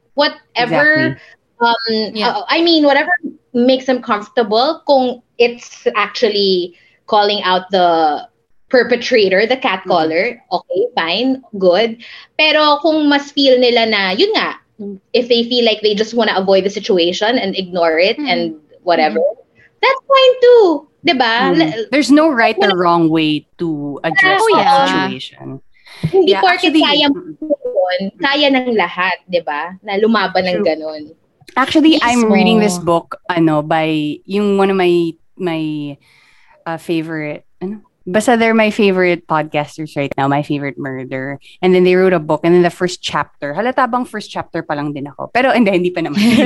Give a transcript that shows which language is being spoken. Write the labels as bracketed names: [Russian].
[English] Whatever, I mean, whatever makes them comfortable, kung it's actually calling out the perpetrator, the catcaller, okay, fine, good. [Filipino] Pero kung mas feel nila na, yun nga, [English] if they feel like they just want to avoid the situation and ignore it and whatever, that's fine too, diba? There's no right or wrong way to address the situation. [Filipino] Hindi porke kaya yun, kaya ng lahat, diba? Na lumaban ng ganun. [English] Actually, I'm reading this book, ano, by yung one of my favorite, ano? Basta they're my favorite podcasters right now, my favorite murder. And then they wrote a book. And then the first chapter, [Filipino] halata bang [English] first chapter [Filipino] pa lang din ako. Pero hindi pa naman.